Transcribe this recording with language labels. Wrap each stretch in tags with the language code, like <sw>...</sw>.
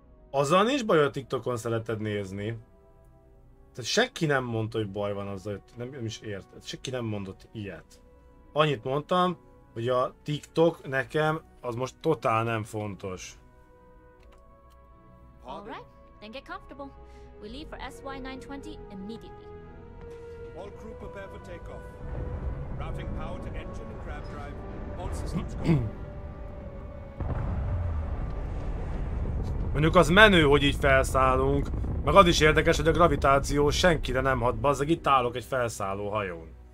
<hu>Azzal nincs baj, hogy a TikTokon szereted nézni. Tehát senki nem mondta, hogy baj van azzal, hogy nem is érted. Senki nem mondott ilyet. Annyit mondtam, hogy a TikTok nekem az most totál nem fontos.</hu> <en>Alright, then get comfortable. We leave for SY920 immediately. All crew prepare for takeoff. Routing power to engine and grab drive. All systems go.</en> <hu>Mondjuk az menő, hogy így felszállunk, Meg az is érdekes, hogy a gravitáció senkire nem hat, bazzeg, itt állok egy felszálló hajón.</hu>